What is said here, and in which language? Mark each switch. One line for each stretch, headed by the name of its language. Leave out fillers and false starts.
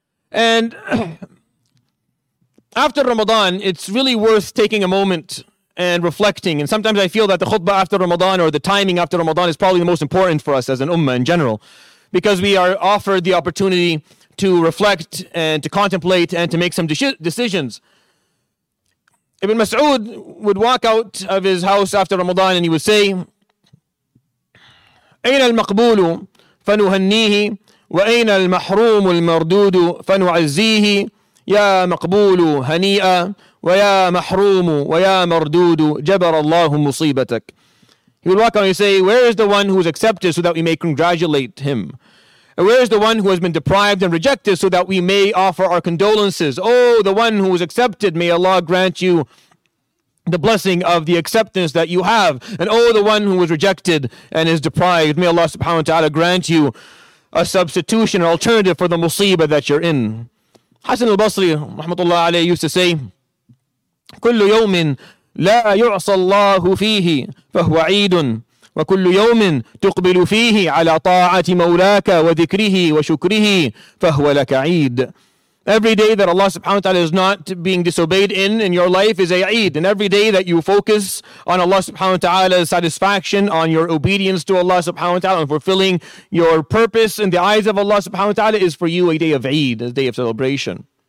English: And after Ramadan, it's really worth taking a moment and reflecting. And sometimes I feel that the khutbah after Ramadan or the timing after Ramadan is probably the most important for us as an ummah in general. Because we are offered the opportunity to reflect and to contemplate and to make some decisions. Ibn Mas'ud would walk out of his house after Ramadan and he would say,
Arabic: أين المقبول فنهنيه وأين المحروم المردود فنعزيه يا مقبول هنيئا ويا محروم ويا مردود جبر الله مصيبتك.
English: He would walk on and say, where is the one who is accepted so that we may congratulate him? Where is the one who has been deprived and rejected so that we may offer our condolences? Oh, the one who was accepted, may Allah grant you the blessing of the acceptance that you have. And oh, the one who was rejected and is deprived, may Allah subhanahu wa ta'ala grant you a substitution, an alternative for the musibah that you're in. Hasan al-Basri, rahmatullah alayhi, used to say,
Arabic: كل يوم لا يعصى الله فيه فهو عيد وكل يوم تقبل فيه على طاعة مولاك وذكره وشكره فهو لك عيد.
English: Every day that Allah subhanahu wa ta'ala is not being disobeyed in your life is a Eid. And every day that you focus on Allah subhanahu wa ta'ala's satisfaction, on your obedience to Allah subhanahu wa ta'ala, and fulfilling your purpose in the eyes of Allah subhanahu wa ta'ala is for you a day of Eid, a day of celebration.